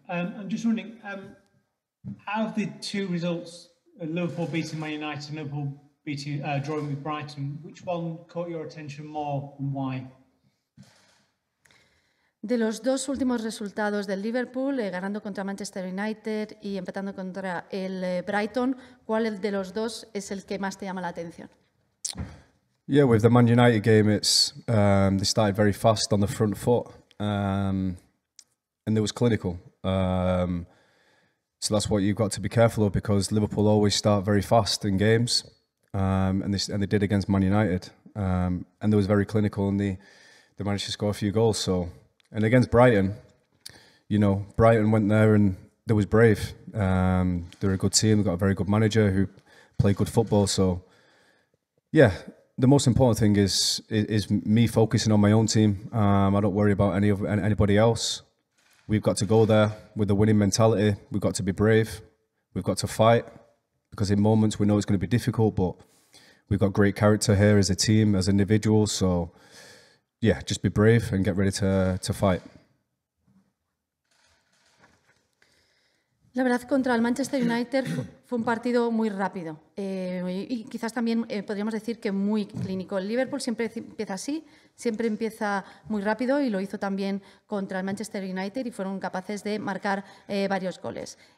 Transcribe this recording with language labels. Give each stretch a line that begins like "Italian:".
English: I'm just wondering, how have the two results, Liverpool beating Man United and Liverpool beating drawing with Brighton, which one caught your attention more and why?
Spanish: De los dos últimos resultados del Liverpool, ganando contra Manchester United y empatando contra el Brighton, ¿cuál de los dos es el que más te llama la atención?
English: Yeah, with the Man United game, it's they started very fast on the front foot and it was clinical. So that's what you've got to be careful of, because Liverpool always start very fast in games and they did against Man United. And they was very clinical and they managed to score a few goals. So, and against Brighton, you know, Brighton went there and they was brave. They're a good team, got a very good manager who played good football. So, yeah. The most important thing is me focusing on my own team. I don't worry about anybody else. We've got to go there with the winning mentality. We've got to be brave. We've got to fight, because in moments we know it's going to be difficult, but we've got great character here as a team, as individuals. So yeah, just be brave and get ready to fight.
Spanish: La verdad, contra el Manchester United fue un partido muy rápido y quizás también podríamos decir que muy clínico. El Liverpool siempre empieza así, siempre empieza muy rápido y lo hizo también contra el Manchester United y fueron capaces de marcar varios goles.